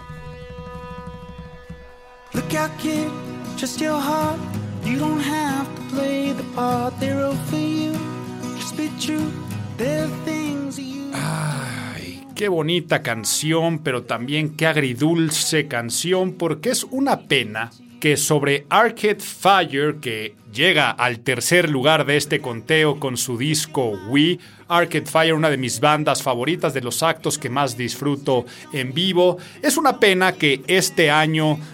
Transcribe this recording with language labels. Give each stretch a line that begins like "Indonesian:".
Spanish: Este es el top de Álvaro Gordoa.
English: Look out, kid, just your heart. You don't have to play the part they wrote for you. Just be true, there are things you...
Spanish: Ay, qué bonita canción, pero también qué agridulce canción, porque es una pena que sobre Arcade Fire, que llega al tercer lugar de este conteo con su disco We, Arcade Fire, una de mis bandas favoritas, de los actos que más disfruto en vivo, es una pena que este año